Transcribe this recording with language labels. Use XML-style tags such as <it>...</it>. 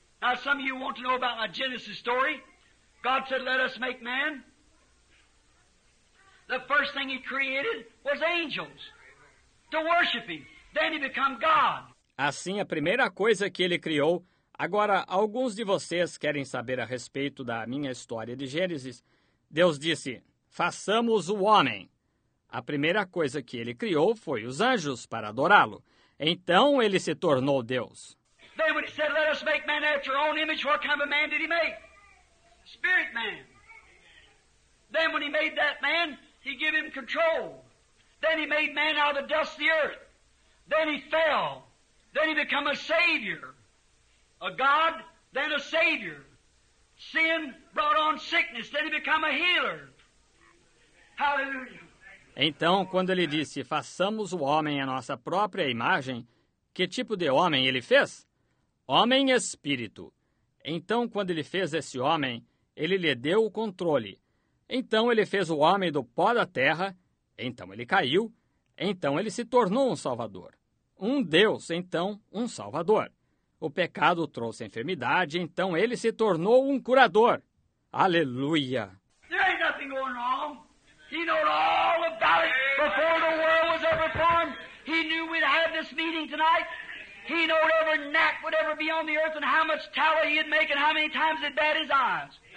<en>Now, some of you want to know about my Genesis story. God said, let us make man. The first thing he created was angels to worship him. Then he became God.</en> <pt>Assim, a primeira coisa que ele criou... Agora, alguns de vocês querem saber a respeito da minha história de Gênesis. Deus disse, façamos o homem. A primeira coisa que ele criou foi os anjos para adorá-lo. Então, ele se tornou Deus.</pt> <en>Then when he said, let us make man after our own image, what kind of man did he make? Spirit man. Then when he made that man, he gave him control. Then he made man out of the dust of the earth. Then he fell. Then he became a savior. A God, then a savior. Sin brought on sickness. Then he became a healer. Hallelujah.</en> <pt>Então, quando ele disse, façamos o homem a nossa própria imagem, que tipo de homem ele fez? Homem espírito. Então, quando ele fez esse homem, ele lhe deu o controle. Então, ele fez o homem do pó da terra. Então, ele caiu. Então, ele se tornou um salvador. Um Deus, então, um salvador. O pecado trouxe a enfermidade. Então, ele se tornou um curador. Aleluia!</pt> <en>There ain't nothing going wrong. He knew all about it before the world was ever formed. He knew we'd have this meeting tonight. He knew every gnat would ever be on the earth and how much tallow he'd make and how many times he'd bat his eyes.</en>